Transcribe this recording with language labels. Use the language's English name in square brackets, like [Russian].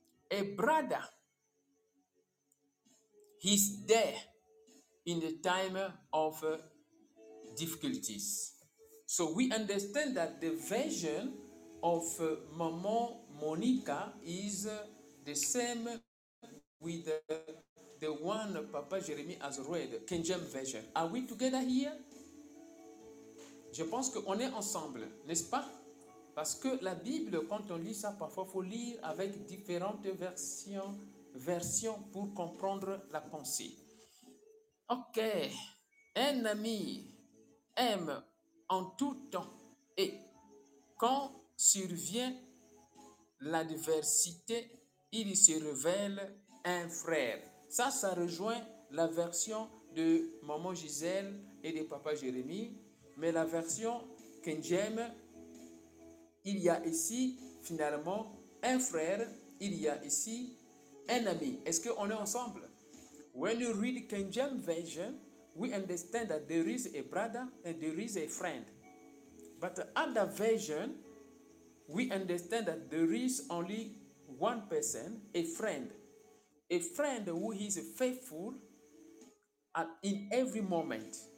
[English] A brother is there in the time of difficulties. So we understand that the version of Maman Monica is the same with the the one Papa Jérémie has read, King James Version. Are we together here? [French] Je pense qu'on est ensemble, n'est-ce pas? Parce que la Bible, quand on lit ça, parfois, il faut lire avec différentes versions pour comprendre la pensée. Ok. Un ami aime en tout temps. Et quand survient l'adversité, il se révèle un frère. Ça rejoint la version de Maman Gisèle et de Papa Jérémie. Mais la version King James, il y a ici finalement un frère, il y a ici un ami. Est-ce qu'on est ensemble? [English] When you read King James Version, we understand that there is a brother and there is a friend. But at the version, we understand that there is only one person, a friend. A friend who is faithful in every moment.